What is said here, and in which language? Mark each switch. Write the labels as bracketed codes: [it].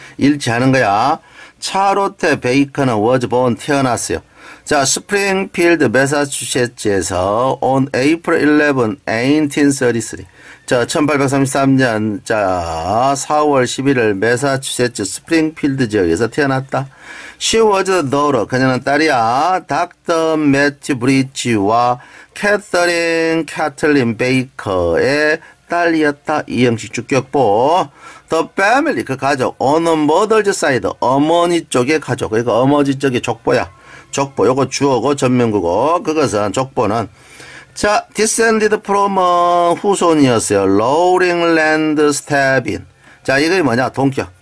[ko] 일치하는 거야. 차로테 베이커는 [en] was born [ko] 태어났어요. 자, 스프링필드 매사추세츠에서 [en] on April 11, 1833. [ko] 자, 1833년, 자, 4월 11일 매사추세츠 스프링필드 지역에서 태어났다. [en] She was the daughter. [ko] 그녀는 딸이야. [en] Dr. [ko] Matthew Bridge와 Catherine Kathleen Baker의 딸이었다. 이 형식 주격보. [en] The family, [ko] 그 가족. [en] On the mother's side. [ko] 어머니 쪽의 가족. 그러니까 어머니 쪽의 족보야. 족보. 요거 주어고 전명구고. 그것은 족보는. 자, [en] descended from [ko] 후손이었어요. Rolling Land Stabbing. 자, 이게 뭐냐? 동격.